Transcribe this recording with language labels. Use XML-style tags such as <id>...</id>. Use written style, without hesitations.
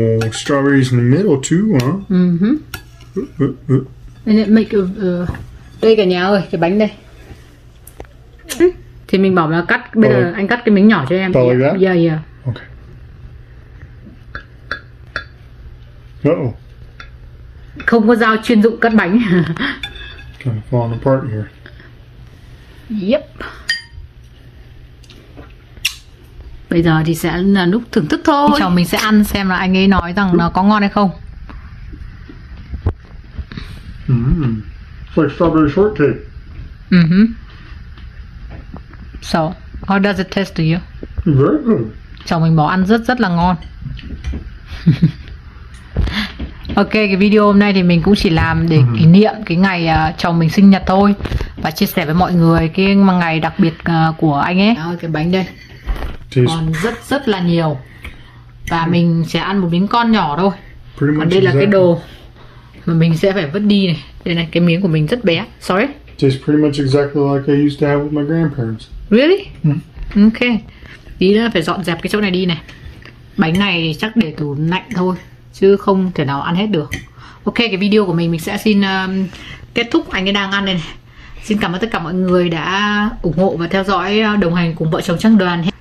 <en>Strawberries in the middle too, huh? And it make of</en> <vi>đây cả nhà ơi, cái bánh đây. Thì mình bảo là cắt bây giờ anh cắt cái miếng nhỏ cho em.</vi> <en>Yeah, yeah, yeah. Okay. Uh-oh.</en> <vi>Không có dao chuyên dụng cắt bánh.</vi> <en>Kind of falling apart here. Yep.</en> <vi>Bây giờ thì sẽ là lúc thưởng thức thôi. Chồng mình sẽ ăn xem là anh ấy nói rằng nó có ngon hay không.</vi> <en>Mm-hmm. Like strawberry shortcake. Mm-hmm. So, how does it taste to you? Very good.</en> <vi>Chồng mình bảo ăn rất rất là ngon. Ok, cái video hôm nay thì mình cũng chỉ làm để kỷ niệm cái ngày chồng mình sinh nhật thôi. Và chia sẻ với mọi người cái ngày đặc biệt của anh ấy. Đó, cái bánh đây. Còn rất rất là nhiều. Và mình sẽ ăn một miếng con nhỏ thôi. Còn đây là cái đồ mà mình sẽ phải vứt đi này. Đây này, cái miếng của mình rất bé.</vi> <en>Sorry. Tastes pretty much exactly like I used to have with my grandparents. Really? Ok.</en> <vi>Tí nữa phải dọn dẹp cái chỗ này đi này. Bánh này chắc để tủ lạnh thôi. Chứ không thể nào ăn hết được. Ok, cái video của mình sẽ xin kết thúc. Anh ấy đang ăn đây này. Xin cảm ơn tất cả mọi người đã ủng hộ và theo dõi đồng hành cùng vợ chồng Trang Đoàn.</vi>